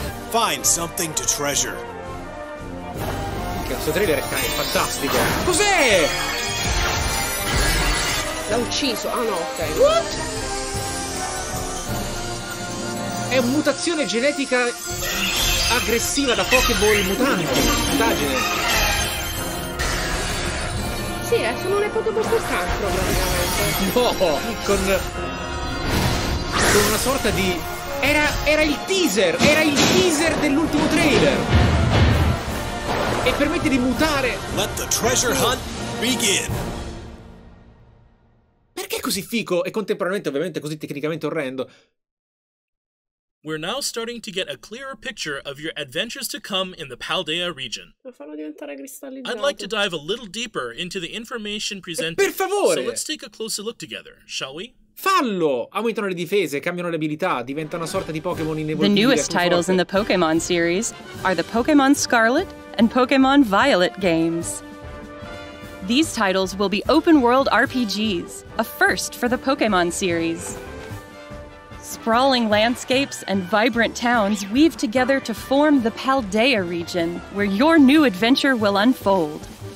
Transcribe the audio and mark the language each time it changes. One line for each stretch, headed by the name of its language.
English: Find something to treasure.
Italian: Questo trailer è fantastico. Cos'è? L'ha ucciso. Ah no, ok.
English: What?
Italian: È una mutazione genetica aggressiva da Pokéball mutante. Mutagene. Sì, sono le Pokéball col cancro praticamente. No, con una sorta di... Era il teaser. Era il teaser dell'ultimo trailer. E permette di mutare!
English: Let the treasure hunt begin!
Italian: Perché è così fico e contemporaneamente ovviamente così tecnicamente orrendo?
English: We're now starting to get a clearer picture of your adventures to come in the Paldea region.
Italian: Lo fanno diventare cristallizzato.
English: I'd like to dive a little deeper into the information presented.
Italian: E per favore!
English: So let's take a closer look together, shall we?
Italian: Fallo! Aumentano le difese, cambiano le abilità, diventa una sorta di Pokémon inevitabile.
English: The newest titles in the Pokémon series are the Pokémon Scarlet and Pokémon Violet games. These titles will be open-world RPGs, a first for the Pokémon series. Sprawling landscapes and vibrant towns weave together to form the Paldea region, where your new adventure will unfold.